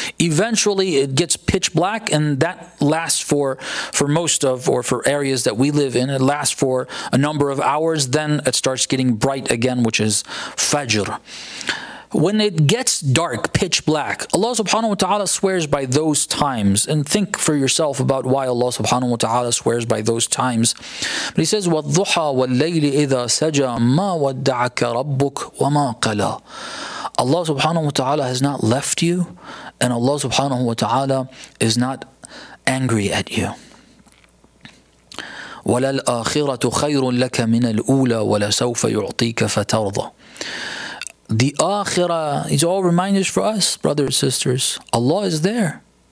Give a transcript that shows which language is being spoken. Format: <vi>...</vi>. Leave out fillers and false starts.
<en>Eventually, it gets pitch black, and that lasts for areas that we live in. It lasts for a number of hours. Then it starts getting bright again, which is Fajr. When it gets dark, pitch black, Allah subhanahu wa ta'ala swears by those times. And think for yourself about why Allah subhanahu wa ta'ala swears by those times. But he says,</en> <ar>وَالضُّحَى وَاللَّيْلِ إِذَا سَجَى مَا وَدَّعَكَ رَبُّكَ وَمَا قَلَى.</ar> <en>Allah subhanahu wa ta'ala has not left you, and Allah subhanahu wa ta'ala is not angry at you.</en> <ar>وَلَا الْآخِرَةُ خَيْرٌ لَكَ مِنَ الْأُولَى وَلَسَوْفَ يُعْطِيكَ فَتَرْضَى.</ar> <en>The Akhirah, he's all reminders for us, brothers and sisters. Allah is there.</en>